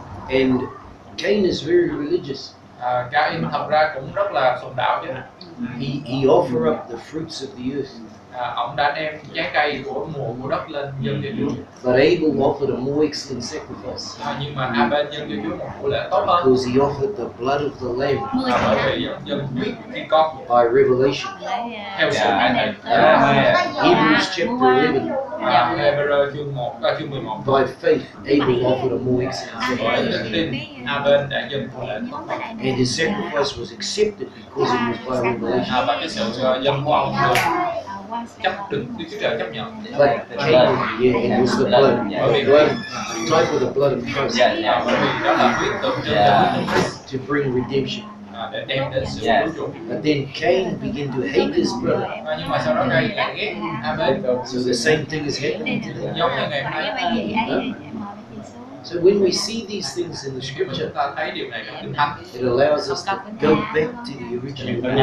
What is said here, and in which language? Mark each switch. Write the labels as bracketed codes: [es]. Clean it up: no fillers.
[en] And Cain is very religious. [vi] Cain thật ra cũng rất là sùng đạo chứ. [en] He offer up the fruits of the earth. [vi] ông đã đem trái cây của mùa của đất lên dâng cho Chúa. [en] But Abel offered a more excellent sacrifice. [vi] Nhưng mà Abel dâng cho Chúa một bộ lễ tốt hơn. [en] Because he offered the blood of the lamb. [vi] Bởi vì dâng huyết của con. [en] By revelation. [vi] Theo sự ngài thấy. [en] Hebrews chapter 11. [vi] Hebrews chương 1, chương 11. [en] By faith, Abel offered a more excellent sacrifice. [vi] Bởi tin Abel đã dâng bộ lễ tốt hơn. [en] And his sacrifice was accepted because it was by revelation. [vi] Và cái sự dâng của ông được chấp đựng, Đức Chúa Trời chấp nhận. [en] But the blood, yeah, it was the blood. Type of the blood of Christ. [vi] Đó là huyết tượng trưng cho huyết. [en] To bring redemption. [vi] Để đem đến sự cứu chuộc. [en] But then Cain began to hate his brother. [vi] Nhưng mà sau đó Cain lại ghét Abel. [en] So the same thing is happening. [vi] Giống như ngày nay. [en] So when we see these things in the scripture, it allows us to go back to the original.